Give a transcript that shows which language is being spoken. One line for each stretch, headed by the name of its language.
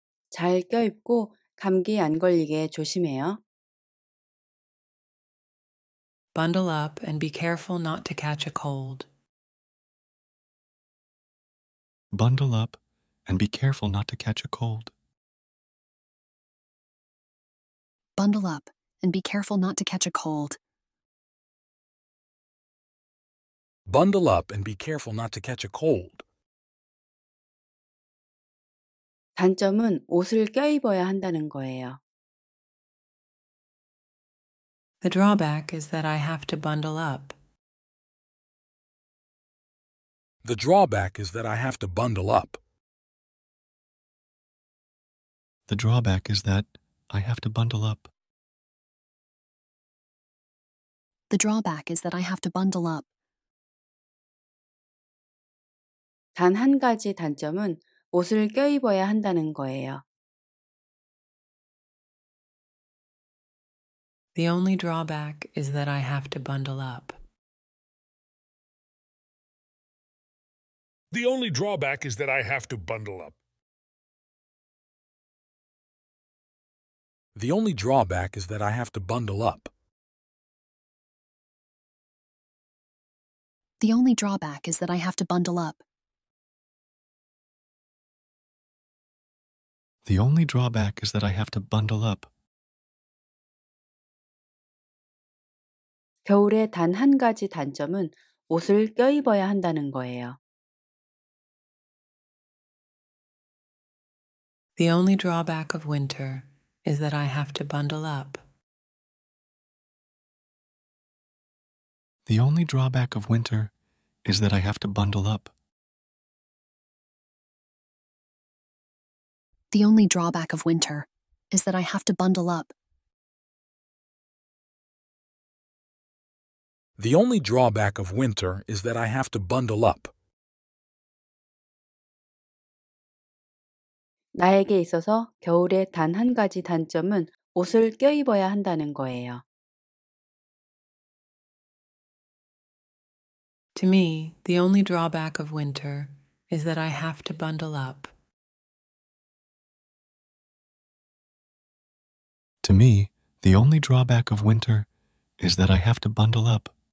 Korean: 잘 껴입고 감기 안 걸리게 조심해요.
English: Bundle up and be careful not to catch a cold. Bundle up and be careful not to catch a cold. Bundle up and be careful not to catch a cold. Bundle up and be careful not to catch a cold.
Korean: 단점은 옷을 껴입어야 한다는 거예요.
English: The drawback is that I have to bundle up. The drawback is that I have to bundle up. The drawback is that I have to bundle up. The drawback is that I have to bundle up.
Korean: 단 한 가지 단점은 옷을 껴입어야 한다는 거예요.
English: The only drawback is that I have to bundle up. The only drawback is that I have to bundle up. The only drawback is that I have to bundle up. The only drawback is that I have to bundle up. The only drawback is that I have to bundle up.
Korean: 겨울에 단 한 가지 단점은 옷을 껴입어야 한다는 거예요.
English: The only drawback of winter is that I have to bundle up. The only drawback of winter is that I have to bundle up. The only drawback of winter is that I have to bundle up. The only drawback of winter is that I have to bundle up.
Korean: 나에게 있어서 겨울의 단 한 가지 단점은 옷을 껴입어야 한다는 거예요.
English: To me, the only drawback of winter is that I have to bundle up. To me, the only drawback of winter is that I have to bundle up.